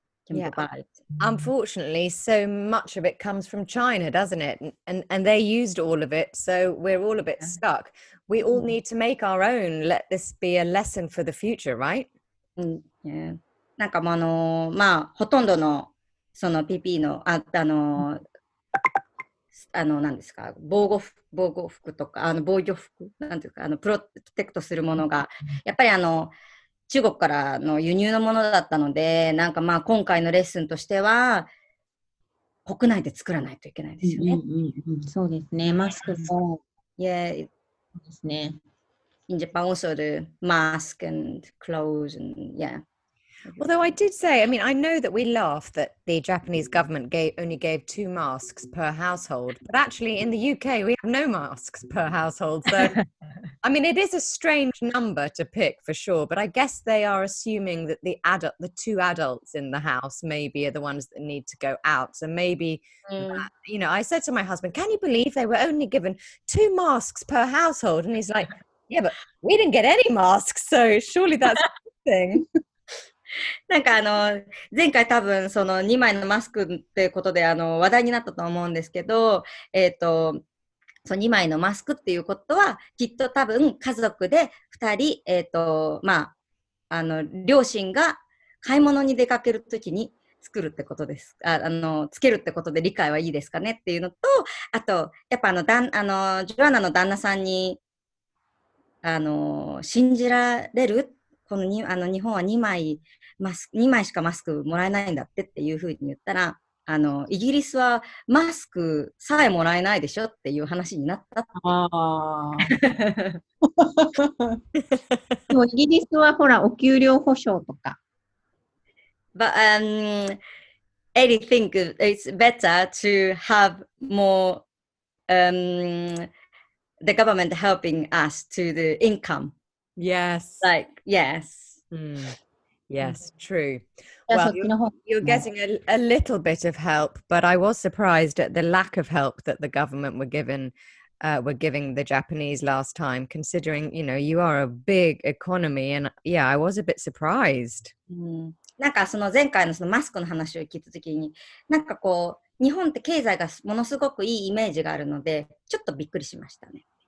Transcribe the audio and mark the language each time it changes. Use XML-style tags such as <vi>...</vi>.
<en>Yeah, unfortunately, so much of it comes from China, doesn't it? And they used all of it, so we're all a bit stuck. We all need to make our own. Let this be a lesson for the future, right?</en> <ja>Yeah. なんかもあの、まあ、ほとんどのその PP の、あ、あの、あの、なんですか、防護服とか、あの、防御服、なんていうか、あの、プロテクトするものが、やっぱりあの、中国からの輸入のものだったので、なんかまあ今回のレッスンとしては、国内で作らないといけないですよね。そうですね。マスクも。</ja> <en>Yeah.</en> <ja>ですね。</ja> <en>In Japan also the mask and clothes and yeah. Although I did say, I mean, I know that we laugh that the Japanese government only gave 2 masks per household, but actually in the UK we have no masks per household, so... I mean, it is a strange number to pick for sure, but I guess they are assuming that the 2 adults in the house maybe are the ones that need to go out. So maybe, that, you know, I said to my husband, can you believe they were only given 2 masks per household? And he's like, yeah, but we didn't get any masks, so surely that's a good thing.</en> <ja>なんかあの前回多分その2枚のマスクってことであの話題になったと思うんですけど、2枚のマスクっていうことはきっと多分家族で2人、まあ、あの両親が買い物に出かけるときに作るってことです、あのつけるってことで理解はいいですかねっていうのと、あとやっぱあのジョアナの旦那さんにあの信じられるこのにあの日本は2枚しかマスクもらえないんだってっていうふうに言ったら、あのイギリスはマスクさえもらえないでしょっていう話になったって。ああ。でもイギリスはほらお給料保証とか。</ja> <en>But Eddie think it's better to have more the government helping us to the income. Yes. Like yes.、 Yes, true. Well, you're getting a little bit of help, but I was surprised at the lack of help that the government were giving the Japanese last time, considering, you know, you are a big economy, and yeah, I was a bit surprised.</en> <ja>なんかその前回のそのマスクの話を聞いた時に、なんかこう、日本って経済がものすごくいいイメージがあるので、ちょっとびっくりしましたね。</ja>